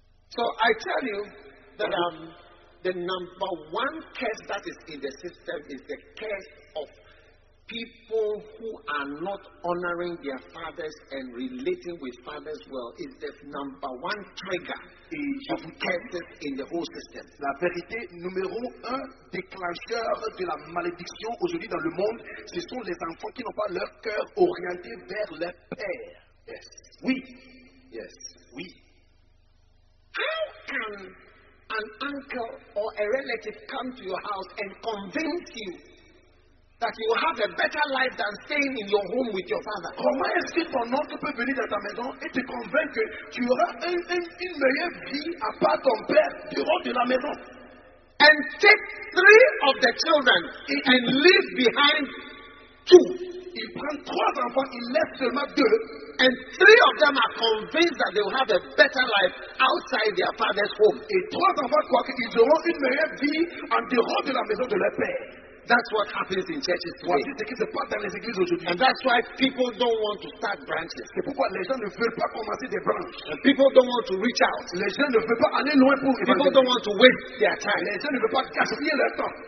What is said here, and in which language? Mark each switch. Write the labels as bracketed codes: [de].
[en] So I tell you that the number one curse that is in the system is the curse of people who are not honoring their fathers and relating with fathers well. It's the number one trigger of curses in the whole system. [fr] La vérité numéro un déclencheur de la malédiction aujourd'hui dans le monde, ce sont les enfants qui n'ont pas leur cœur orienté vers leur père. [en] Yes. [fr] Oui. [en] Yes. [fr] Oui. [en] How can an uncle or a relative come to your house and convince you that you have a better life than staying in your home with your father? [fr] Comment est-ce que ton oncle peut venir dans ta maison et te convaincre que tu auras une meilleure vie à part ton père dehors de la maison? [en] And take three of the children and leave behind two. [fr] Il prend trois enfants, il laisse seulement deux. [en] And three of them are convinced that they will have a better life outside their father's home. [fr] Et trois enfants croient qu'ils auront une meilleure vie en dehors de la maison de leur père. [en] That's what happens in churches today. And that's why people don't want to start branches. [fr] C'est pourquoi les gens ne veulent pas commencer des branches. [en] And people don't want to reach out. [fr] Les gens ne veulent pas aller loin pour [en] people [fr] évangéliser. [en] Don't want to waste their time. [fr] Les gens ne veulent pas gaspiller leur temps.